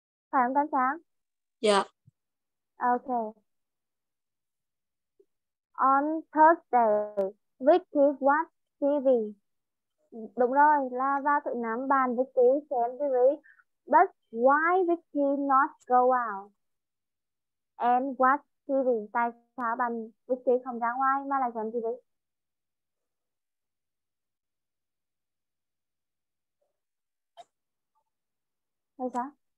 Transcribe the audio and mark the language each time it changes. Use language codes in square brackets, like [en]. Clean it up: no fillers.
[vi] Phải không tên sáng? Dạ. [en] Ok. On Thursday, Vicky watch TV. [vi] Đúng rồi, là vào thứ năm bàn Vicky xem TV. [en] But why Vicky not go out and watch TV? [vi] Tại sao bàn Vicky không ra ngoài mà lại xem TV? Tại sao?